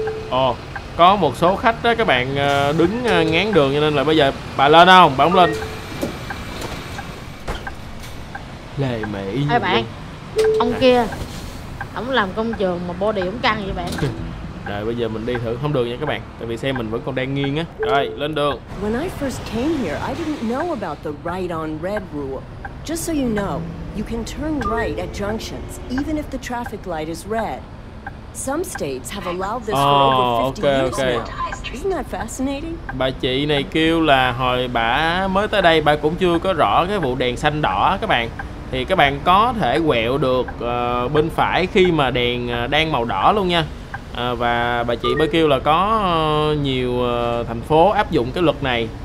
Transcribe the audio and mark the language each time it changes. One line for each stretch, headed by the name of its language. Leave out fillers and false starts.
Vietnamese: Ồ, có một số khách đó các bạn đứng ngán đường cho nên là bây giờ bà lên không? Bà không lên. Lề mề y như vậy. Ê bạn, ông kia, ông làm công trường mà body ông căng vậy bạn. Rồi bây giờ mình đi thử không đường nha các bạn, tại vì xe mình vẫn còn đang nghiêng á. Rồi lên đường.
English: When I first came here, I didn't know about the right on red rule. Just so you know, you can turn right at junctions even if the traffic light is red. Some states have allowed this for over 50 years. Isn't that fascinating?
Vietnamese: Bà chị này kêu là hồi bà mới tới đây bà cũng chưa có rõ cái vụ đèn xanh đỏ các bạn. Thì các bạn có thể quẹo được bên phải khi mà đèn đang màu đỏ luôn nha. Và bà chị mới kêu là có nhiều thành phố áp dụng cái luật này.